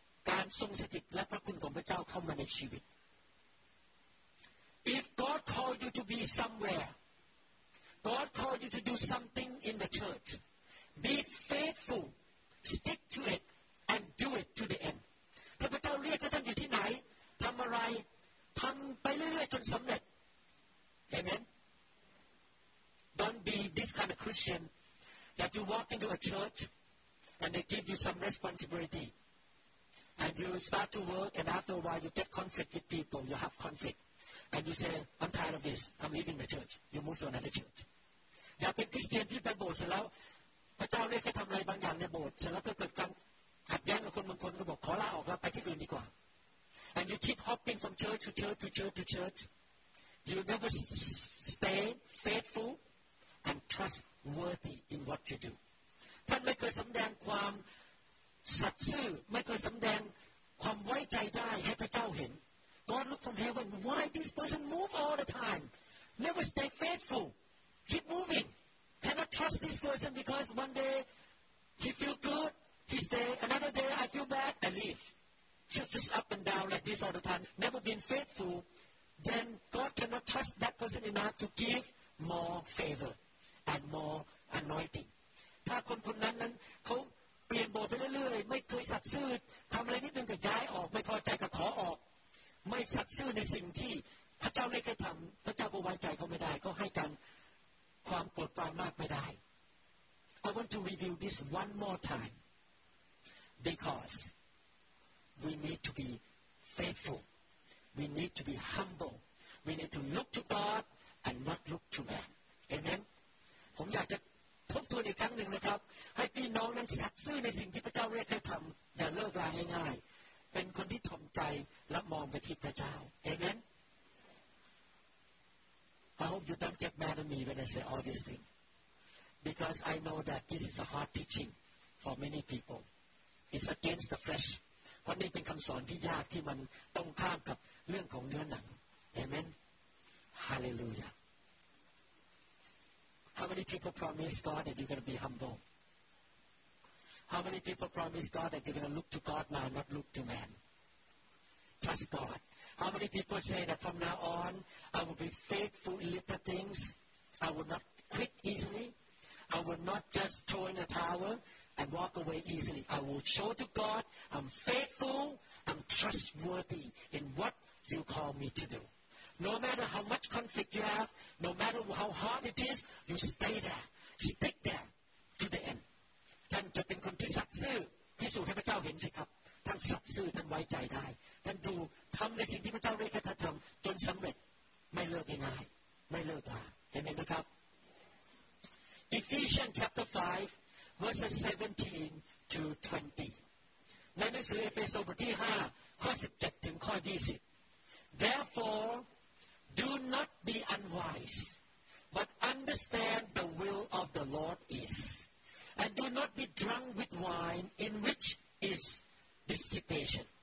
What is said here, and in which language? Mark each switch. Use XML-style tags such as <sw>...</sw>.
<th>การทรงสถิตและพระคุณของพระเจ้าเข้ามาในชีวิต</th> <en>If God called you to be somewhere God called you to do something in the church be faithful stick to it and do it to the end</en> <th>ถ้าพระเจ้าเรียกท่านอยู่ที่ไหนทำอะไรทำไปเรื่อยๆจนสำเร็จ</th> <en>Amen. Don't be this kind of Christian that you walk into a church and they give you some responsibility and you start to work and after a while you get conflict with people, you have conflict and you say, I'm tired of this, I'm leaving the church. You move to another church.</en> <th>อย่าเป็นคริสเตียนที่ไปโบสถ์แล้วพระเจ้าเรียกให้ทำอะไรบางอย่างในโบสถ์แล้วก็เกิดการขัดแย้งกับคนบางคนก็บอกขอลาออกแล้วไปที่อื่นดีกว่า</th> <en>and you keep hopping from church to church to church to churchYou never stay faithful and trustworthy in what you do.</en> <th>ท่านไม่เคยสำแดงความศักดิ์สิทธิ์ไม่เคยสำแดงความไว้ใจได้ให้พระเจ้าเห็น</th> <en>God looked from heaven. Why this person move all the time? Never stay faithful. Keep moving. Cannot trust this person because one day he feel good, he stay. Another day I feel bad, I leave. Just up and down like this all the time. Never been faithful. Then God cannot trust that person enough to give more favor and more anointing.</en> <th>ถ้าคนคนนั้นเขาเปลี่ยนโบสถ์ไปเรื่อยๆไม่เคยสัตย์ซื่อทำอะไรนิดนึงก็ย้ายออกไม่พอใจก็ขอออกไม่สัตย์ซื่อในสิ่งที่พระเจ้าเรียกให้ทำพระเจ้าก็ไว้ใจเขาไม่ได้ก็ให้กันความโปรดปรานมากไม่ได้</th> <en>I want to review this one more time because we need to be faithfulWe need to be humble. We need to look to God and not look to man. Amen.</en> <th>ผมอยากจะ ทบทวนอีกครั้งหนึ่งนะครับให้พี่น้องนั้นสัตย์ซื่อในสิ่งที่พระเจ้าเรียกให้ทำอย่าเลิกลาง่ายๆเป็นคนที่ถ่อมใจและมองไปที่พระเจ้าเอเมน</th> <en>I hope you don't get mad at me when I say all these things. Because I know that this is a hard teaching for many people. It's against the flesh.</en> <th>วันนี้เป็นคำสอนที่ยากที่มันตรงข้ามกับเรื่องของเนื้อหนัง Amen.</th> <en>Hallelujah. How many people promise God that you're going to be humble? How many people promise God that you're going to look to God now, not look to man? Trust God. How many people say that from now on, I will be faithful in little things. I will not quit easily. I will not just throw in a towel and walk away easily. I will show to God, I'm faithful, I'm trustworthy in what you call me to do. No matter how much conflict you have, no matter how hard it is, you stay there. Stick there to the end.</en> <th>ท่านจะเป็นคนที่สัตย์ซื่อที่สุดให้พระเจ้าเห็นสิครับท่านสัตย์ซื่อท่านไว้ใจได้ท่านดูทำในสิ่งที่พระเจ้าเรียกให้ท่านทำจนสำเร็จไม่เลิกง่ายไม่เลิกลาเห็นไหมนะครับ</th> <en>Ephesians chapter 5 verses 17 to 20</en> <th>ในหนังสือเอเฟซัสบทที่5ข้อ17ถึงข้อ20</th> <en>Therefore do not be unwise but understand the will of the Lord is and do not be drunk with wine in which isdissipation,</en>